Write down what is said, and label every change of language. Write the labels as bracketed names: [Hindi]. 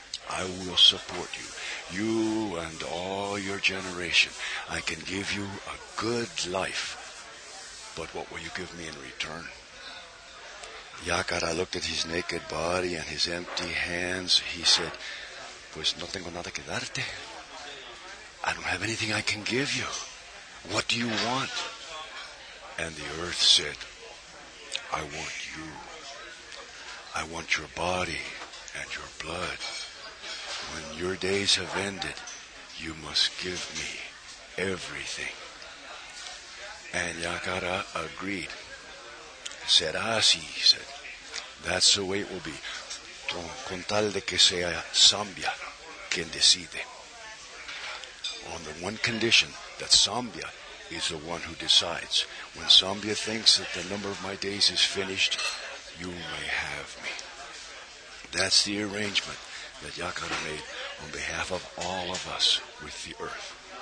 [English] I will support you, you and all your generation. I can give you a good life, but what will you give me in return? Yakara looked at his naked body and his empty hands. He said, [Spanish] Pues no tengo nada que darte. [English] I don't have anything I can give you. What do you want? And the earth said, I want you. I want your body and your blood. When your days have ended, you must give me everything. And Yakara agreed. Said, [Spanish] ah, sí, [English] said, that's the way it will be. [Spanish] Con tal de que sea Zambia quien decide. [English] On the one condition that Zambia is the one who decides. When Zambia thinks that the number of my days is finished, you may have me. That's the arrangement that Yakara made on behalf of all of us with the earth.